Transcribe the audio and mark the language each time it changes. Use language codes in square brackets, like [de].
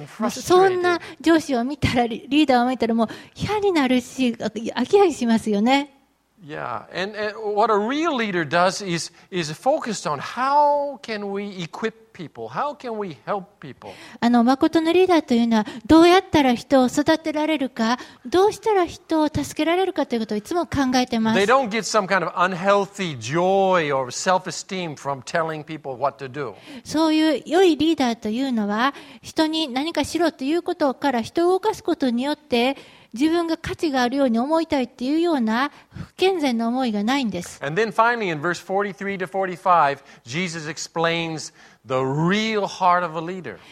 [ja] そんな上司を見たらリーダーを見たらもう嫌になるし飽き飽きしますよね。 [en] Yeah, and what a real leader does is focused on how can we equip people, how can we help people. [ja] 誠のリーダーというのはどうやったら人を育てられるか、どうしたら人を助けられるかということをいつも考えてます。 [en] They don't get some kind of unhealthy joy or self-esteem from telling people what to do. [ja] そういう良いリーダーというのは人に何かしろということから人を動かすことによって。自分が価値があるように思いたいっていうような不健全な思いがないんです。 [en] And then finally, in verse 43 to 45, Jesus explains the real heart of a leader.